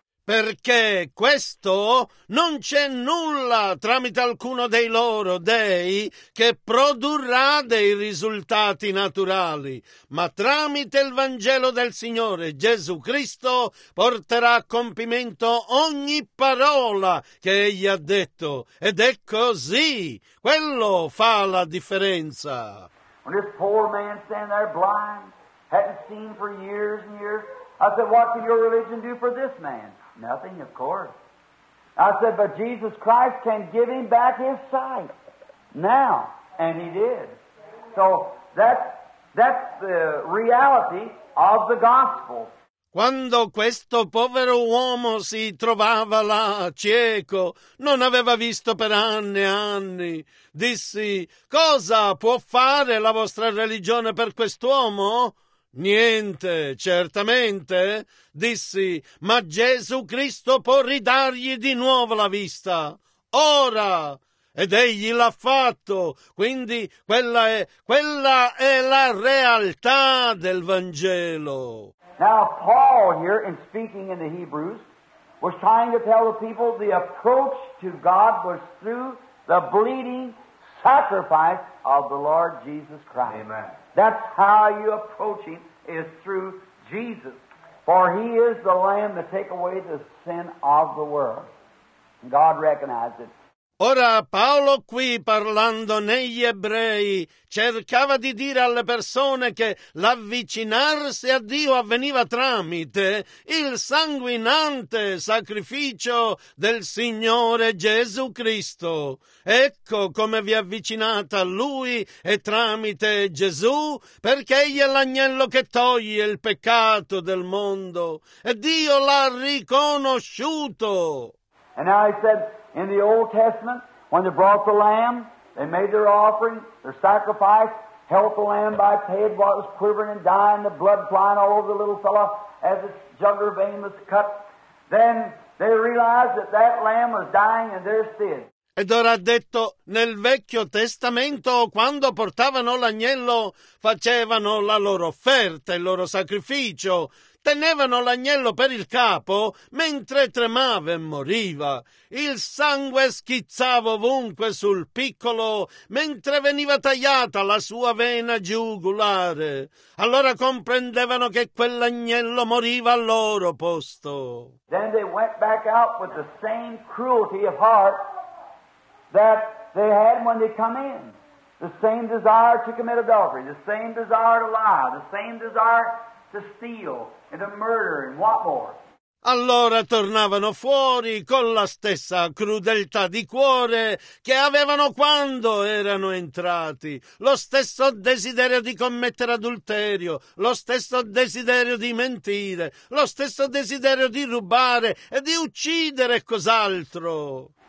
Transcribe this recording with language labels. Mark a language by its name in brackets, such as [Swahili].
[Italian] Perché questo non c'è nulla tramite alcuno dei loro dei che produrrà dei risultati naturali, ma tramite il Vangelo del Signore Gesù Cristo porterà a compimento ogni parola che egli ha detto. Ed è così. Quello fa la differenza. [English] When this poor man standing there blind, hadn't seen for years and years, I said, what can your religion do for this man? Nothing, of course. I said, but Jesus Christ can give him back his sight now. And he did. So that's the reality of the gospel. [Italian] Quando questo povero uomo si trovava là, cieco, non aveva visto per anni e anni, dissi, cosa può fare la vostra religione per quest'uomo? Niente, certamente, dissi, ma Gesù Cristo può ridargli di nuovo la vista, ora, ed egli l'ha fatto, quindi quella è la realtà del Vangelo. [English] Now Paul here, in speaking in the Hebrews, was trying to tell the people the approach to God was through the bleeding sacrifice of the Lord Jesus Christ. Amen. That's how you approach him, is through Jesus. For he is the Lamb that take away the sin of the world. God recognized it. [Italian] Ora Paolo qui, parlando negli ebrei, cercava di dire alle persone che l'avvicinarsi a Dio avveniva tramite il sanguinante sacrificio del Signore Gesù Cristo. Ecco come vi avvicinate a Lui e tramite Gesù, perché Egli è l'agnello che toglie il peccato del mondo. E Dio l'ha riconosciuto. [English] And now he said, in the Old Testament, when they brought the lamb, they made their offering, their sacrifice, held the lamb by its head while it was quivering and dying, the blood flying all over the little fellow as its jugular vein was cut. Then they realized that that lamb was dying in their stead. [Italian] Ed ora ha detto, nel Vecchio Testamento, quando portavano l'agnello, facevano la loro offerta, il loro sacrificio. Tenevano l'agnello per il capo mentre tremava e moriva. Il sangue schizzava ovunque sul piccolo mentre veniva tagliata la sua vena giugulare. Allora comprendevano che quell'agnello moriva al loro posto. [English] Then they went back out with the same cruelty of heart that they had when they come in. The same desire to commit adultery, the same desire to lie, the same desire to steal. And a murder, and what more? [Italian] Allora tornavano fuori con la stessa crudeltà di cuore che avevano quando erano entrati, lo stesso desiderio di commettere adulterio, lo stesso desiderio di mentire, lo stesso desiderio di rubare e di uccidere cos'altro.